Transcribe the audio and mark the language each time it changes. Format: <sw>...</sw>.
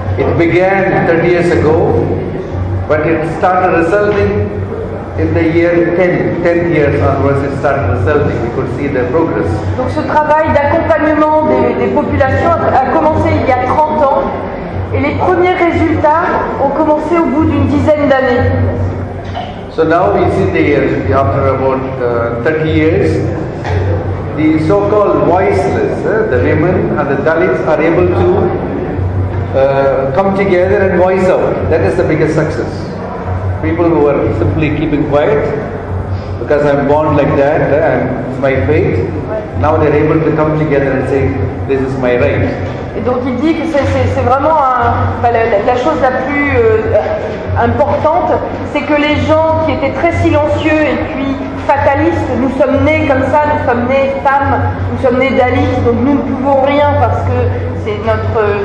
<en>It began 30 years ago, but it started resulting in the year 10 years onwards. It started resulting. We could see the progress.</en> <fr>Donc ce travail d'accompagnement des populations a commencé il y a 30 ans, et les premiers résultats ont commencé au bout d'une dizaine d'années.</fr> <en>So now we see the years after about 30 years. The so-called voiceless, the women and the Dalits are able to come together and voice out. That is the biggest success. People who are simply keeping quiet, because I'm born like that, and it's my fate. Now they're able to come together and say, this is my right.</en> <fr>Et donc il dit que c'est vraiment la chose la plus importante, c'est que les gens qui étaient très silencieux et puis fatalistes, nous sommes nés comme ça, nous sommes nés femmes, nous sommes nés Dalits, donc nous ne pouvons rien parce que c'est notre...</fr>